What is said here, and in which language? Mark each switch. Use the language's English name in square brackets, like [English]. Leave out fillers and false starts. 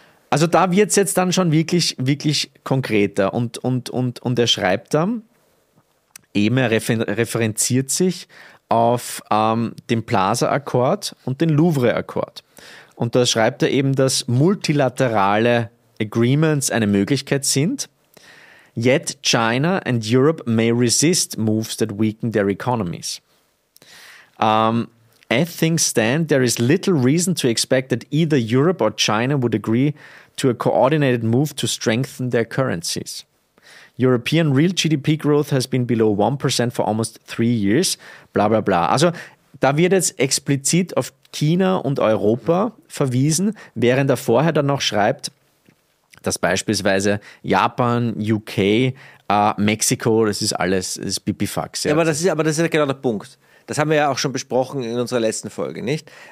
[German] Also da wird es jetzt dann schon wirklich, wirklich konkreter. Und er schreibt dann, eben er referenziert sich auf den Plaza-Akkord und den Louvre-Akkord. Und da schreibt er eben, dass multilaterale Agreements eine Möglichkeit sind. [English] Yet China and Europe may resist moves that weaken their economies. As things stand, there is little reason to expect that either Europe or China would agree to a coordinated move to strengthen their currencies. European real GDP growth has been below 1% for almost 3 years, bla bla bla. [German] Also da wird jetzt explizit auf China und Europa verwiesen, während er vorher dann noch schreibt, dass beispielsweise Japan, UK, Mexiko, das ist alles, das ist Bipifax. Ja, aber das ist genau der Punkt. Das haben wir ja auch schon besprochen in unserer letzten Folge, nicht?